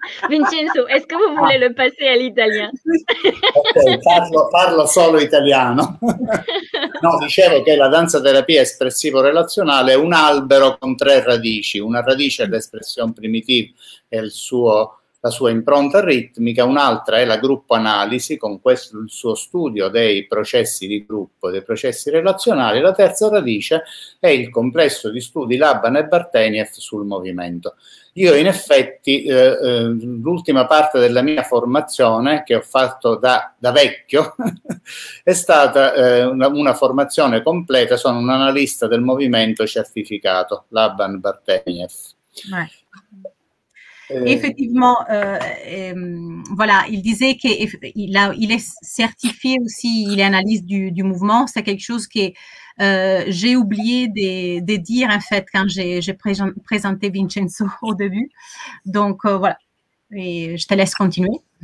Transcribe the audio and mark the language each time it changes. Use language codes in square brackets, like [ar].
[fr] Vincenzo, est-ce que vous voulez le passer à l'italien? [it] Ok, parlo solo italiano. No, dicevo che la danza terapia espressivo relazionale è un albero con tre radici. Una radice è l'espressione primitiva e il suo la sua impronta ritmica, un'altra è la gruppo analisi, con questo il suo studio dei processi di gruppo, dei processi relazionali, la terza radice è il complesso di studi Laban e Bartenieff sul movimento. Io in effetti l'ultima parte della mia formazione che ho fatto da vecchio è stata una formazione completa, sono un analista del movimento certificato, Laban Bartenieff. [fr] Effectivement, voilà, il disait qu'il est certifié aussi, il est analyste du mouvement. C'est quelque chose que j'ai oublié de dire en fait quand j'ai présenté Vincenzo au début. Donc voilà, et je te laisse continuer.